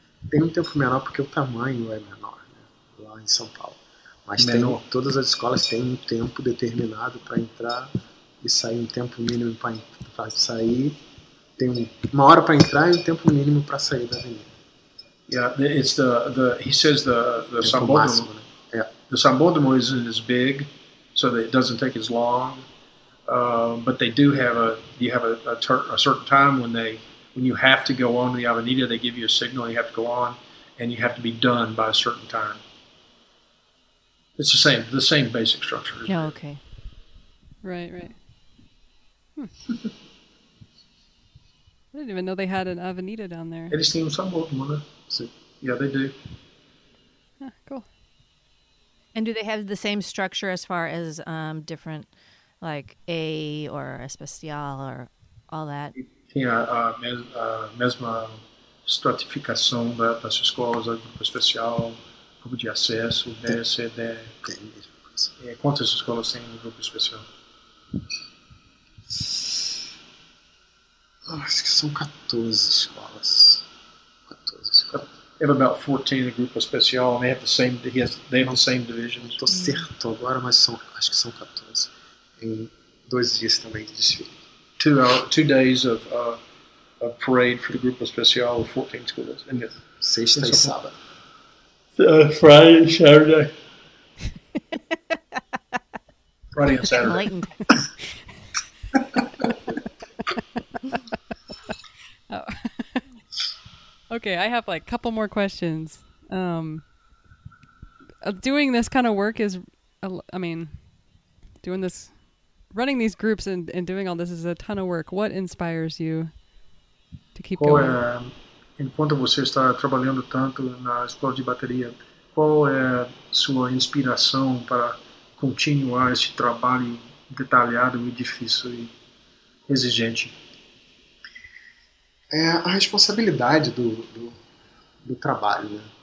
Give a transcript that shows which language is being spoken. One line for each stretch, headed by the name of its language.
Portuguese: Tem um tempo menor porque o tamanho é menor, né? Lá em São Paulo. Mas todas as escolas têm um tempo determinado para entrar e sair, um tempo mínimo para sair. Tem uma hora para entrar e um tempo mínimo para sair da avenida.
English: It's the he says the Sambódromo.
Portuguese: Né?
English: The Sambódromo isn't as big, so that it doesn't take as long. But they do have a certain time when you have to go on to the avenida, they give you a signal, you have to go on, and you have to be done by a certain time. It's the same basic structure. Yeah, oh, okay. Right. I didn't even know they had an avenida down there.
Portuguese: Eles têm um sambódromo, né?
English: Yeah, they do. Ah, cool. And do they have the same structure as far as different, like A or Especial or all that?
Portuguese: Tem a mesma estratificação das escolas, grupo especial, grupo de acesso, DSD. Quantas escolas têm um grupo especial? Acho que são 14 escolas.
English: They have about 14 in grupo especial, and they have the same division.
Portuguese: Estou certo agora, mas acho que são 14. Em 2 dias também de desfile.
English: Two days of a parade for the Grupo Especial of 14 schools. And
Portuguese: sexta e sábado.
English: Friday and Saturday. Friday and Saturday. Enlightened. Okay, I have like a couple more questions. Doing this kind of work is, I mean, doing this, running these groups and doing all this is a ton of work. What inspires you to keep going?
Portuguese: Enquanto você está trabalhando tanto na escola de bateria, qual é sua inspiração para continuar esse trabalho detalhado e difícil e exigente? É a responsabilidade do trabalho, né?